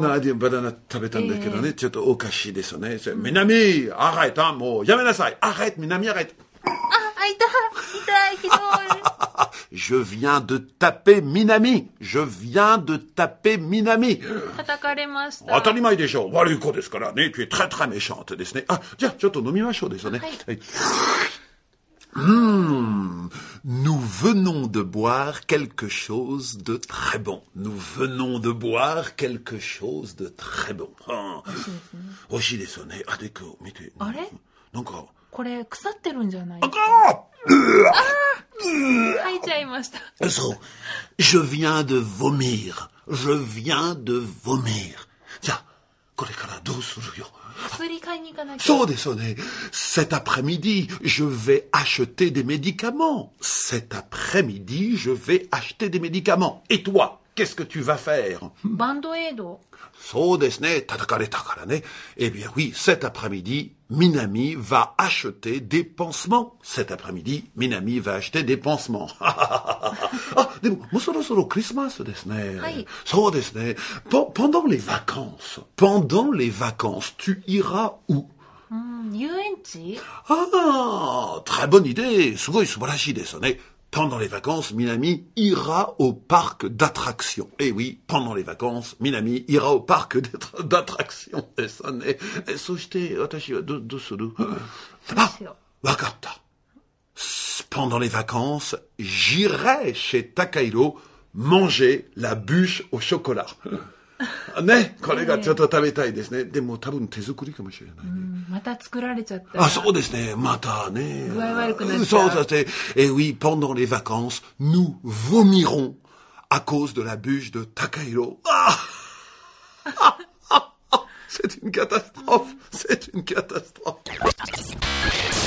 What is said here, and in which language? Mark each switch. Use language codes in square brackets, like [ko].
[ja] なでバナナ食べたんだけどね、ちょっとおかしいですよね、みなみアレッ、もうやめなさい、アレッ、みなみアレッ、あ、痛い、ひどい、 [fr] je viens de taper Minami, je viens de taper Minami, [ja] 叩かれました、当たり前でしょ、悪い子ですからね、 [fr] tu es très très méchante [ja] ですね、あ、じゃあちょっと飲みましょうですね、はい、 [fr] nous venons de boire quelque chose de très bon. Nous venons de boire quelque chose de très bon. [ja] おいしいですね。あ、でこ、見て。あれ？なんか。これ腐ってるんじゃない？あか！吐いちゃいました。 [fr] そう。Je viens de vomir. Je viens de vomir. [ja] じゃあ、これからどうするよ？薬買いに行かなきゃ。そうですよね。 [fr] Cet après-midi, je vais acheter des médicaments. Cet après-midi, je vais acheter des médicaments. Et toi, qu'est-ce que tu vas faire? Bandoedo. [ja] そうですね。叩かれたからね。 [fr] Eh bien oui, cet après-midi, Minami va acheter des pansements. Cet après-midi, Minami va acheter des pansements. [ja] Ah, でも、もうそろそろクリスマスですね。はい。そうですね。 [fr] Pendant les vacances, pendant les vacances, tu iras où? [ja] 遊園地。 [fr] Ah, très bonne idée. [ja] すごい素晴らしいですね。 [fr] Pendant les vacances, Minami ira au parc d'attractions. Eh oui, pendant les vacances, Minami ira au parc d'attractions. Et ça n'est. [ja] Et そして私はどうする？ Ah, わかった。 [fr] Pendant les vacances, j'irai chez Takahiro manger la bûche au chocolat. [ja] ね、これがちょっと食べたいですね、でも多分手作りかもしれない、ね、また作られちゃった、あ、そうですね、またね、具合悪くなっちゃう、そうだって、 [fr] et oui, pendant les vacances, nous vomirons à cause de la bûche de Takahiro, c'est une catastrophe, c'est une catastrophe.